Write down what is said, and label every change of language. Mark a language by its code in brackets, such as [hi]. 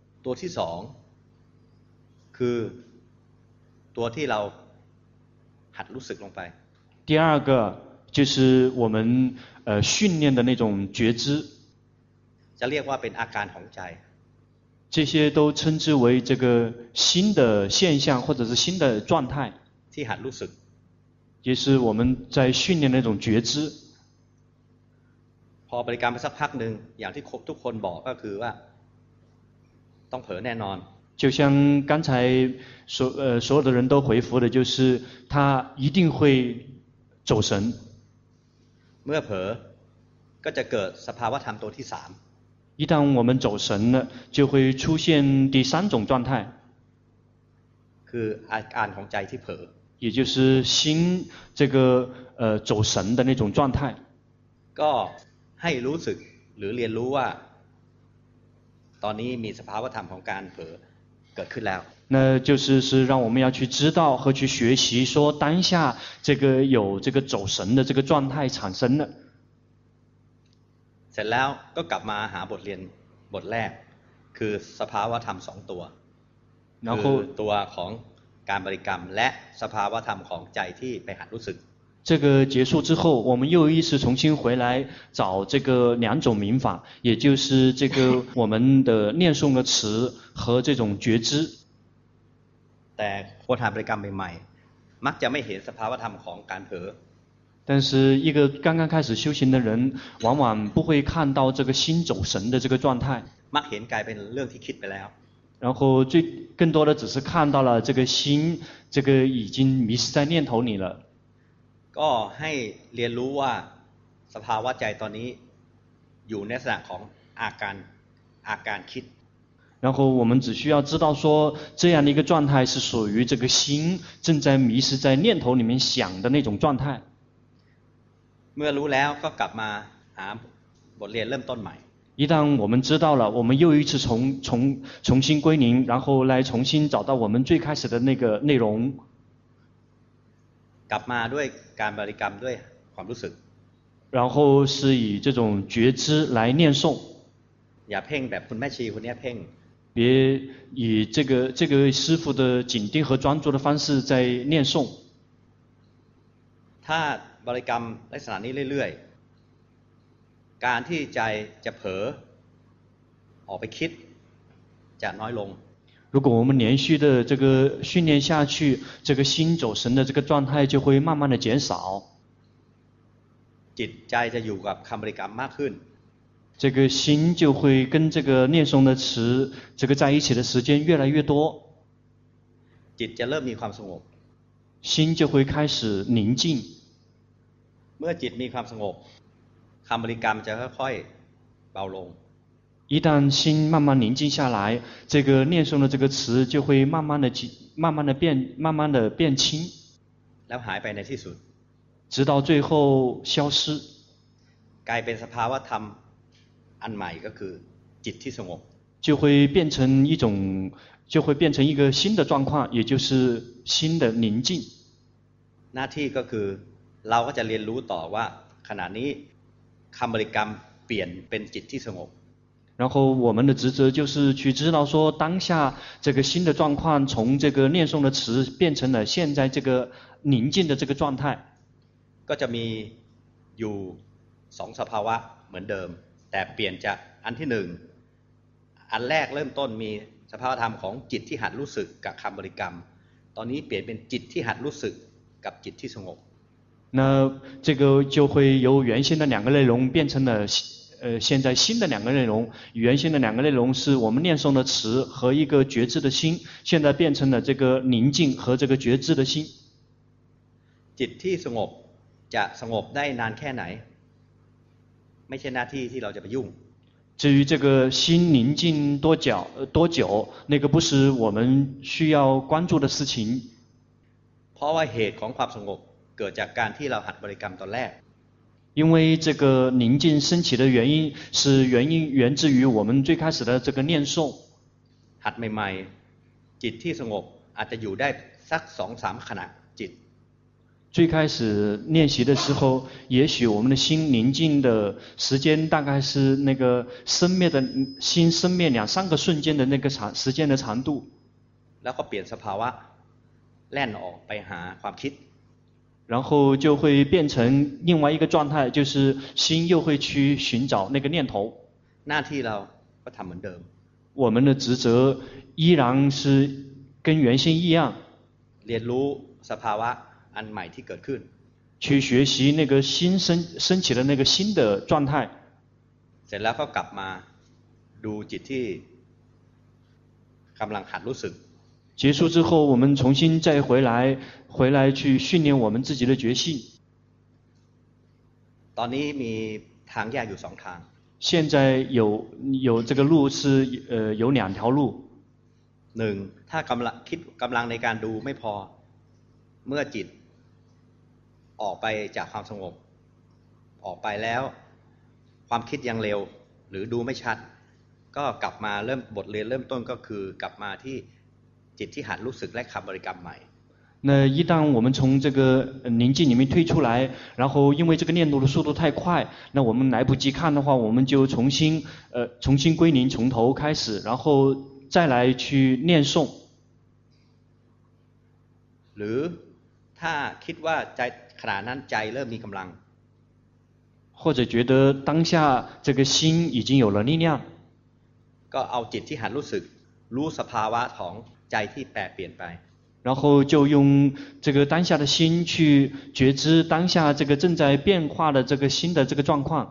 [th] ตัวที่สองคือตัวที่เราหัดรู้สึกลงไป [zh] 第二个就是我们训练的那种觉知 [th] จะเรียกว่าเป็นอาการของใจ [zh] 这些都称之为这个新的现象或者是新的状态 [th] ที่หัดรู้สึก [zh] 也是我们在训练的那种觉知 [th] พอบริกรรมไปสักพักหนึ่งอย่างที่ครบทุกคนบอกก็คือว่าต้องเผลอแน่นอน [zh] 就像刚才所有的人都回复的就是他一定会走神 [th] เมื่อเผลอก็จะเกิดสภาวะธรรมตัวที่สาม [zh] 一旦我们走神了就会出现第三种状态 [th] คืออาการของใจที่เผลอ [zh] 也就是心这个走神的那种状态 [th] ก็ให้รู้สึกหรือเรียนรู้ว่า ตอนนี้มีสภาวะธรรมของการเผลอเกิดขึ้นแล้ว [zh] 那就是是让我们要去知道和去学习说当下这个有这个走神的这个状态产生了 [th] เสร็จแล้วก็กลับมาหาบทเรียนบทแรกคือสภาวะธรรมสองตัวคือตัวของการบริกรรมและสภาวะธรรมของใจที่ไปหัดรู้สึก [zh] 这个结束之后我们又一次重新回来找这个两种明法也就是这个我们的念诵的词和这种觉知 [th] แต่คนหัดบริกรรมใหม่ๆมักจะไม่เห็นสภาวะธรรมของการเผล [zh] อ但是一个刚刚开始修行的人往往不会看到这个心走神的这个状态 [th] มักเห็นกลายเป็นเรื่องที่คิดไปแล้ว [zh] 然后最更多的只是看到了这个心这个已经迷失在念头里了 [th] ก็ให้เรียนรู้ว่าสภาวะใจตอนนี้อยู่ในลักษณะของอาการคิด [zh] 然后我们只需要知道说这样的一个状态是属于这个心正在迷失在念头里面想的那种状态 [th] เมื่อรู้แล้วก็กลับมาหาบทเรียนเริ่มต้นใหม่ [zh] 一旦我们知道了我们又一次重新归零然后来重新找到我们最开始的那个内容 [th] กลับมาด้วยการบริกรรมด้วยความรู้สึก [zh] 然后是以这种觉知来念诵 [th] อย่าเพ่งแบบคุณแม่ชีคุณเนี้ยเพ่ง [zh] 别以这个师父的紧盯和专注的方式在念诵 [th] ถ้าบริกรรมลักษณะนี้เรื่อยๆการที่ใจจะเผลอออกไปคิดจะน้อยลง [zh] 如果我们连续的这个训练下去，这个心走神的这个状态就会慢慢的减少。 [th] จิตใจจะอยู่กับคำบริกรรมมากขึ้น。 [zh] 这个心就会跟这个念诵的词，这个在一起的时间越来越多。 [th] จิตจะเริ่มมีความสงบ。 [zh] 心就会开始宁静。 [th] เมื่อจิตมีความสงบ，คำบริกรรมจะค่อยๆเบาลง。 [zh] 一旦心慢慢宁静下来，这个念诵的这个词就会慢慢的变轻，然后还变得清楚，直到最后消失。改变 [th] สภาวะธรรม [zh] 安买一个 [th] คือจิตที่สงบ， [zh] 就会变成一个新的状况，也就是新的宁静。 [th] หน้าที่ก็คือเราก็จะเรียนรู้ต่อว่าขณะนี้คำบริกรรมเปลี่ยนเป็นจิตที่สงบ。 [zh] 然后我们的职责就是去知道说当下这个新的状况从这个念诵的词变成了现在这个宁静的这个状态 [th] ก็จะมีอยู่สองสภาวะเหมือนเดิมแต่เปลี่ยนจากอันที่หนึ่งอันแรกเริ่มต้นมีสภาวะธรรมของจิตที่หัดรู้สึกกับคำบริกรรมตอนนี้เปลี่ยนเป็นจิตที่หัดรู้สึกกับจิตที่สงบ [zh] 那这个就会由原先的两个内容变成了现在新的两个内容，原先的两个内容是我们念诵的词和一个觉知的心，现在变成了这个宁静和这个觉知的心。 [th] จิตที่สงบจะสงบได้นานแค่ไหนไม่ใช่หน้าที่ที่เราจะไปยุ่ง。 [zh] 至于这个心宁静多久，那个不是我们需要关注的事情。 [th] เพราะว่าเหตุของความสงบเกิดจากการที่เราหัดบริกรรมตอนแรก [zh] 因为这个宁静升起的原因是源自于我们最开始的这个念诵。 [th] หัดใหม่ๆจิตที่สงบอาจจะอยู่ได้สักสองสามขณะจิต。 [zh] 最开始练习的时候，也许我们的心宁静的时间大概是那个生灭的心生灭两三个瞬间的那个长时间的长度。 [th] แล้วก็เปลี่ยนสภาวะแล่นออกไปหาความคิด。 [zh] 然后就会变成另外一个状态，就是心又会去寻找那个念头。 [th] หน้าที่เราก็ทำเหมือนเดิม。 [zh] 我们的职责依然是跟原先一样。 [th] เรียนรู้สภาวะอันใหม่ที่เกิดขึ้น。 [zh] 去学习那个新升起的那个新的状态。 [th] เสร็จแล้วก็กลับมาดูจิตที่กำลังหัดรู้สึก。 [zh] 结束之后，我们重新再回来去训练我们自己的觉性。 [th] ตอนนี้มีทางแยกอยู่สองทาง。 [zh] 现在有这个路是有两条路。 [th] หนึ่งถ้ากำลังคิดกำลังในการดูไม่พอเมื่อจิตออกไปจากความสงบออกไปแล้วความคิดยังเร็วหรือดูไม่ชัด ก็กลับมาเริ่มบทเรียนเริ่มต้นก็คือกลับมาที่จิตที่หัดรู้สึกและคำบริกรรมใหม่ [zh] 那一旦我们从这个宁静里面退出来，然后因为这个念头的速度太快，那我们来不及看的话，我们就重新归零，从头开始，然后再来去念诵。 [th] หรือถ้าคิดว่าใจขณะนั้นใจเริ่มมีกำลัง， [zh] 或者觉得当下这个心已经有了力量， [th] ก็เอาจิตที่หัดรู้สึกรู้สภาวะของใจที่แปรเปลี่ยนไป [zh] 然后就用这个当下的心去觉知当下这个正在变化的这个心的这个状况。